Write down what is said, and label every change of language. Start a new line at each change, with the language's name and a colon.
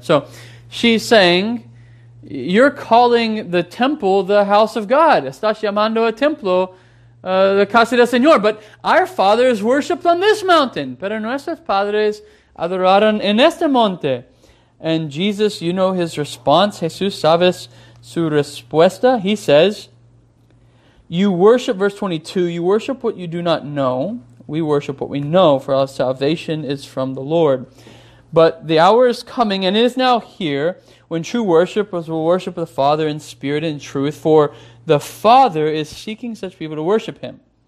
English: So, she's saying, you're calling the temple the house of God.
Spanish: Estás llamando a templo la casa del Señor.
English: But our fathers worshipped on this mountain.
Spanish: Pero nuestros padres adoraron en este monte.
English: And Jesus, you know his response.
Spanish: Jesús, ¿sabes su respuesta?
English: He says, you worship, verse 22, you worship what you do not know. We worship what we know, for our salvation is from the Lord. But the hour is coming, and it is now here, when true worshipers will worship the Father in spirit and truth, for the Father is seeking such people to worship Him.